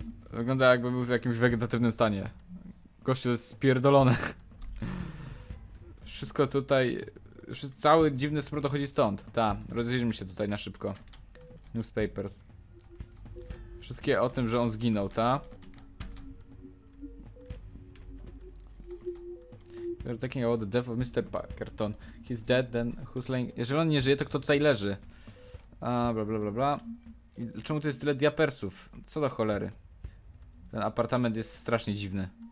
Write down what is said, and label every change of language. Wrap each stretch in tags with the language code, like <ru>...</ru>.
<pl>Wygląda, jakby był w jakimś wegetatywnym stanie. Gościu jest spierdolony. Wszystko tutaj, cały dziwny smród dochodzi stąd. Ta, rozejrzyjmy się tutaj na szybko. Newspapers. Wszystkie o tym, że on zginął, ta.</pl> <en>You're talking about the death of Mr. Packerton. He's dead, then who's laying...</en> <pl>Jeżeli on nie żyje, to kto tutaj leży? A, bla bla bla bla. I czemu tu jest tyle diapersów? Co do cholery. Ten apartament jest strasznie dziwny.</pl>